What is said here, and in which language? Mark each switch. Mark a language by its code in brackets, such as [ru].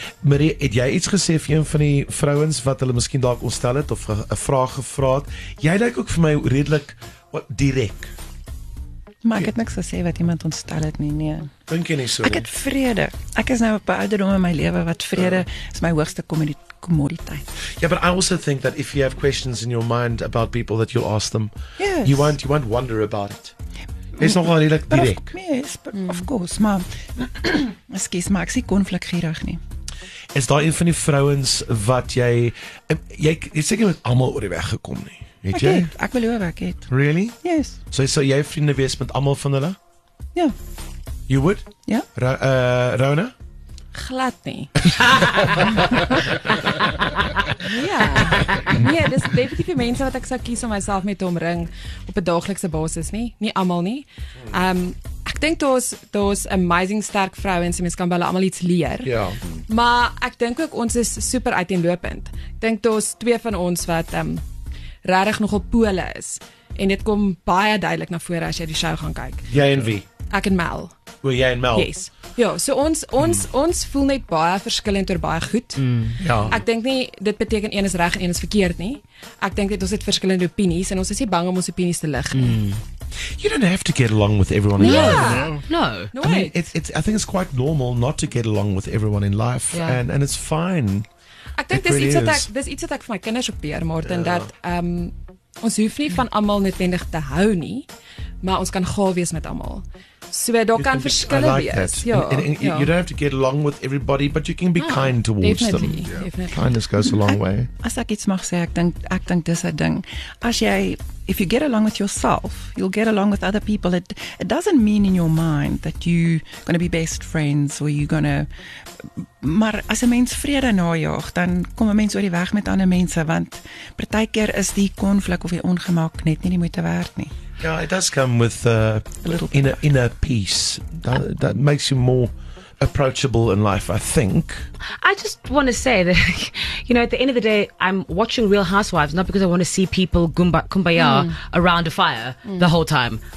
[af] Marie, het jy iets gesê vir een van die vrouens wat hulle miskien dalk ontstel het of 'n vraag gevra het? Jy lyk ook vir my redelik direk. Maar ek het niks gesê wat iemand ontstel het nie, nee. Dink jy nie so? Ek het vrede. Ek is nou op 'n ouderdom in my lewe wat vrede is my hoogste kommoditeit. [en] Yeah, but I also think that if you have questions in your mind about people that you'll ask them, yes. you won't wonder about it. [af] Is nogal redelijk direk. [en] Of course, [af] maar [en] excuse me, [af] ek sien konflik hierig nie. Is daar een van die vrouens wat jy het seker met almal oor die weg gekom nie? Weet jy? Ek beloof ek het. [en] Really? Yes. [af] So sou jy vriende wees met almal van hulle? Ja. [en] You would? [af] Ja. Rona? Glad nie. Ja. Nee, dis definitief die mense wat ek sou kies om myself mee te omring op 'n daaglikse basis nie. Nie almal nie. Ek dink daar's amazing sterk vrouens en mens kan by hulle almal iets leer. Ja. Maar ek dink ook ons is super uiteenlopend. Ek dink daar's twee van ons wat rarig nogal pole is. En dit kom baie duidelik na vore as jy die show gaan kyk. Jy en wie? Ek en Mel. Oor jy en Mel? [en] Yes. [af] Ja, so ons voel net baie verskillend oor baie goed. Ja. Ek dink nie dit beteken een is reg en een is verkeerd nie. Ek dink net ons het verskillende opinies en ons is nie bang om ons opinies te lig nie. [en] You don't have to get along with everyone in life. No. I think it's quite normal not to get along with everyone in life. Yeah. And it's fine. [af] Ek dink dis iets wat ek vir my kinders opbeer, Martin, dat ons hoef nie van almal noodwendig te hou nie, maar ons kan gaaf wees met almal. So daar kan verskille wees. [en] You don't have to get along with everybody, but you can be kind towards definitely, them. Yeah. Kindness goes a long way. [af] As ek iets mag sê, ek dink dis 'n ding. As jy [en] if you get along with yourself, you'll get along with other people. It doesn't mean in your mind that you're going to be best friends or you're going to... [af] Maar as 'n mens vrede najaag, dan kom 'n mens oor die weg met ander mense, want partykeer is die konflik of die ongemak net nie die moeite werd nie. [en] Yeah, it does come with a little inner peace. That makes you more approachable in life, I think. I just want to say that, you know, at the end of the day, I'm watching Real Housewives not because I want to see people kumbaya around a fire the whole time.